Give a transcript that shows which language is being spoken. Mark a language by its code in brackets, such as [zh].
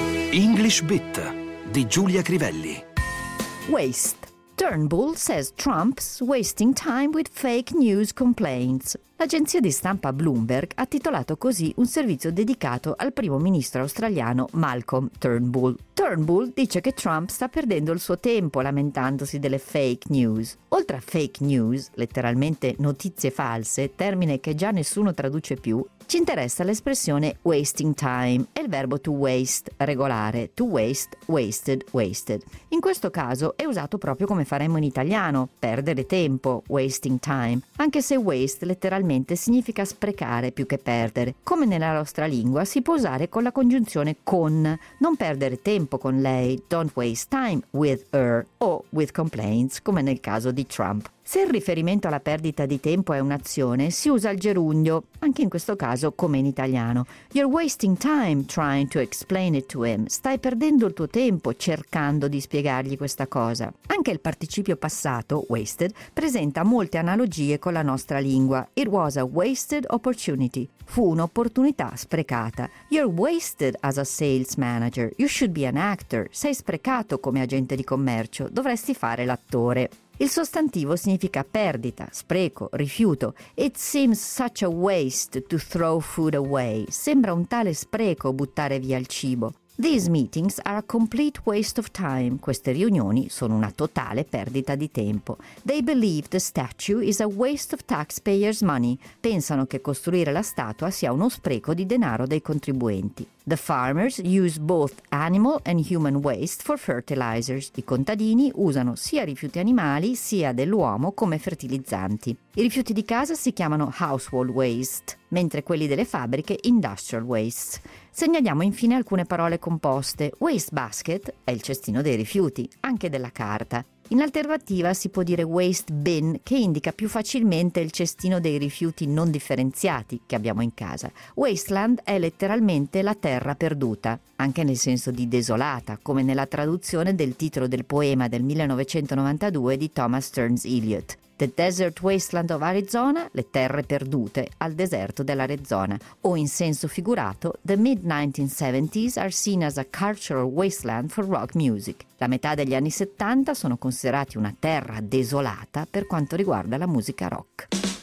[it] English Bit di Giulia Crivelli. [en] Waste. Turnbull says Trump's wasting time with fake news complaints. [it] L'agenzia di stampa Bloomberg ha titolato così un servizio dedicato al primo ministro australiano Malcolm Turnbull. Turnbull dice che Trump sta perdendo il suo tempo lamentandosi delle fake news. Oltre a fake news, letteralmente notizie false, termine che già nessuno traduce più, ci interessa l'espressione wasting time e il verbo to waste, regolare, to waste, wasted, wasted. In questo caso è usato proprio come faremmo in italiano, perdere tempo, wasting time, anche se waste letteralmente significa sprecare più che perdere. Come nella nostra lingua si può usare con la congiunzione con, non perdere tempo con lei, [en] don't waste time with her, [it] o [en] with complaints, [it] come nel caso di Trump. Se il riferimento alla perdita di tempo è un'azione, si usa il gerundio, anche in questo caso come in italiano. [en] You're wasting time trying to explain it to him. [it] Stai perdendo il tuo tempo cercando di spiegargli questa cosa. Anche il participio passato, wasted, presenta molte analogie con la nostra lingua. [en] It was a wasted opportunity. [it] Fu un'opportunità sprecata. [en] You're wasted as a sales manager. You should be an actor. [it] Sei sprecato come agente di commercio. Dovresti fare l'attore. Il sostantivo significa perdita, spreco, rifiuto. [en] It seems such a waste to throw food away. [it] Sembra un tale spreco buttare via il cibo. [en] These meetings are a complete waste of time. [it] Queste riunioni sono una totale perdita di tempo. [en] They believe the statue is a waste of taxpayers' money. [it] Pensano che costruire la statua sia uno spreco di denaro dei contribuenti. [en] The farmers use both animal and human waste for fertilizers. [it] I contadini usano sia rifiuti animali sia dell'uomo come fertilizzanti. I rifiuti di casa si chiamano household waste, mentre quelli delle fabbriche industrial waste. Segnaliamo infine alcune parole composte. Waste basket è il cestino dei rifiuti, anche della carta. In alternativa si può dire waste bin, che indica più facilmente il cestino dei rifiuti non differenziati che abbiamo in casa. Wasteland è letteralmente la terra perduta, anche nel senso di desolata, come nella traduzione del titolo del poema del 1992 di Thomas Stearns Eliot. [en] The Desert Wasteland of Arizona, [it] le terre perdute al deserto dell'Arizona. O in senso figurato, [en] the mid-1970s are seen as a cultural wasteland for rock music. [it] La metà degli anni 70 sono considerati una terra desolata per quanto riguarda la musica rock.